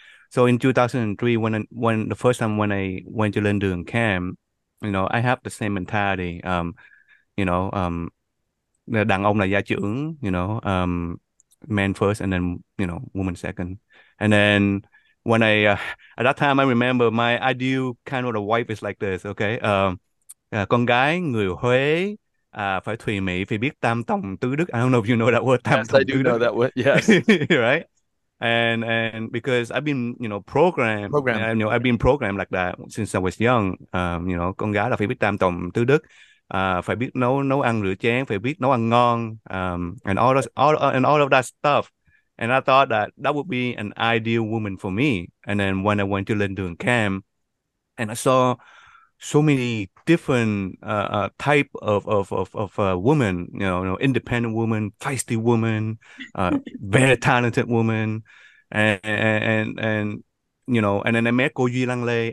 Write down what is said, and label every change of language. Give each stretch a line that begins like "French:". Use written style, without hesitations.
English: So in 2003, when the first time when I went to London camp, you know, I have the same mentality, you know,
Vietnamese: đàn ông là gia trưởng,
English: you know, man first and then, you know, woman second. And then when I, at that time, I remember my ideal kind of a wife is like this, okay?
Vietnamese: Con gái, người Huế, phải thùy mỹ, phải biết tam tòng tứ đức.
English: I don't know if you know that word. Tam yes, tòng I do tứ know đức. That word. Yes, right. And because I've been, you know, programmed, you know, I've been programmed like that since I was young.
Vietnamese: You know, con gái là phải biết tam tòng tứ đức, phải biết nấu ăn rửa chén, phải biết nấu ăn ngon,
English: and all of that stuff. And I thought that would be an ideal woman for me. And then when I went to London camp, and I saw so many different type of women, you know, independent woman, feisty woman, very talented woman, and you know, and then I met Cô Duy Lăng Lê.